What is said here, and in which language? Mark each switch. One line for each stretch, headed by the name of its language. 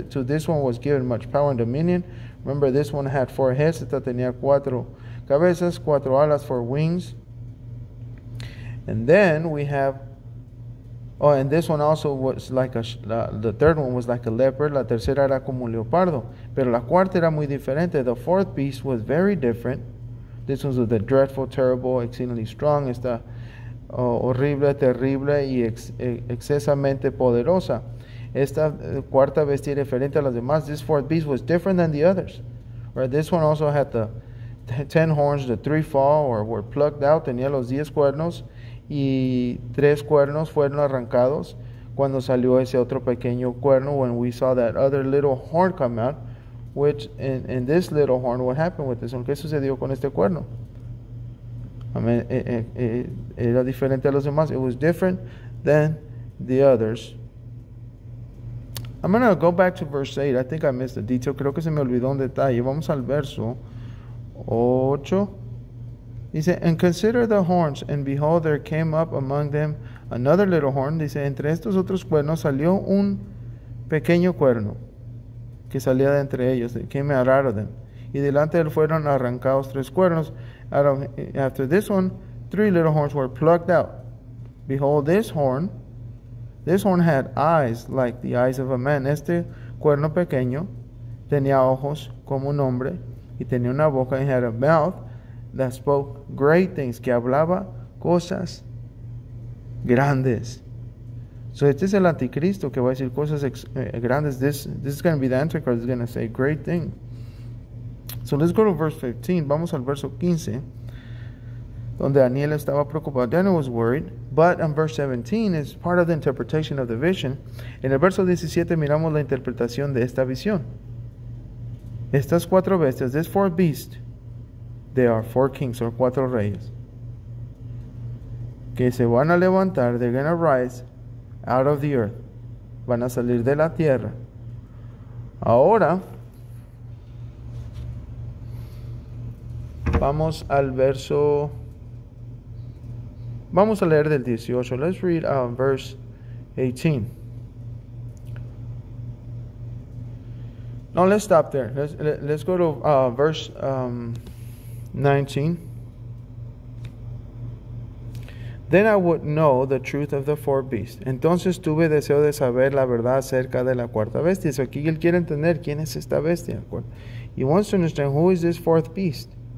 English: To this one was given much power and dominion. Remember, this one had four heads.
Spanish: Esta tenía cuatro cabezas, cuatro alas,
English: four wings. And then we have, oh, and this one also was like the third one was like a leopard.
Spanish: La tercera era como un leopardo. Pero la cuarta era muy diferente.
English: The fourth beast was very different. This one was the dreadful, terrible, exceedingly strong.
Spanish: Esta, oh, horrible, terrible y excesamente poderosa. Esta cuarta bestia diferente a las demás.
English: This fourth beast was different than the others. Right? This one also had the ten horns, the three fall, or were plucked out.
Spanish: Tenía los 10 cuernos y 3 cuernos fueron arrancados cuando salió ese otro pequeño cuerno.
English: When we saw that other little horn come out, which in this little horn, what happened with this one?
Spanish: ¿Qué sucedió con este cuerno? I mean, era diferente a los demás.
English: It was different than the others. I'm going to go back to verse 8. I think I missed a detail.
Spanish: Creo que se me olvidó un detalle. Vamos al verso 8.
English: Dice, and consider the horns, and behold, there came up among them another little horn.
Spanish: Dice, entre estos otros cuernos salió un pequeño cuerno que salía de entre ellos.
English: It came out of them.
Spanish: y delante de él fueron arrancados tres cuernos.
English: After this one, three little horns were plucked out. Behold, this horn had eyes like the eyes of a man.
Spanish: Este cuerno pequeño tenía ojos como un hombre y tenía una boca,
English: and had a mouth that spoke great things,
Spanish: que hablaba cosas grandes. So este es el anticristo que va a decir cosas grandes.
English: This is going to be the antichrist. He's going to say great thing. So let's go to verse 15.
Spanish: Vamos al verso 15, donde Daniel estaba preocupado.
English: Daniel was worried. But in verse 17 is part of the interpretation of the vision.
Spanish: En el verso 17 miramos la interpretación de esta visión. Estas cuatro bestias,
English: these four beasts, they are four kings, or
Spanish: cuatro reyes, que se van a levantar,
English: they're going to rise out of the earth.
Spanish: Van a salir de la tierra. Ahora, vamos a leer del 18.
English: Let's read verse 18. No, let's stop there. Let's go to verse 19. Then I would know the truth of the four beasts.
Spanish: Entonces tuve deseo de saber la verdad acerca de la cuarta bestia. So aquí él quiere entender quién es esta bestia.
English: He wants to understand who is this fourth beast.